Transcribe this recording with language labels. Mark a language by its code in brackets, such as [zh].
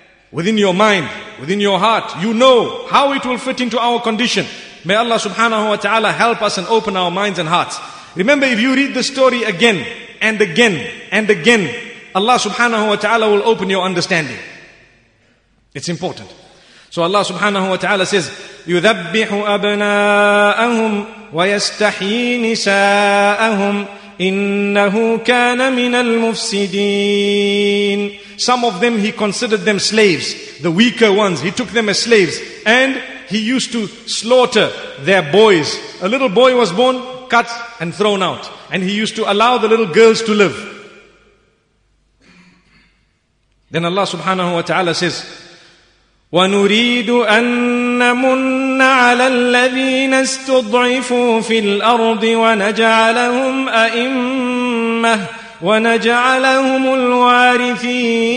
[en] Within your mind, within your heart, you know how it will fit into our condition. May Allah subhanahu wa ta'ala help us and open our minds and hearts. Remember, if you read the story again, and again, and again, Allah subhanahu wa ta'ala will open your understanding. It's important. So Allah subhanahu wa ta'ala says, [ar] يُذَبِّحُ أَبْنَاءَهُمْ وَيَسْتَحْيِي نِسَاءَهُمْ إِنَّهُ كَانَ مِنَ الْمُفْسِدِينَ. [en] Some of them, he considered them slaves, the weaker ones. He took them as slaves. And he used to slaughter their boys. A little boy was born, cut and thrown out. And he used to allow the little girls to live. Then Allah subhanahu wa ta'ala says, [ar] وَنُرِيدُ أَنَّمُنَّ عَلَى الَّذِينَ اسْتُضْعِفُوا فِي الْأَرْضِ وَنَجْعَلَهُمْ أَئِمَّةً وَنَجْعَلَهُمُ الْوَارِثِينَ.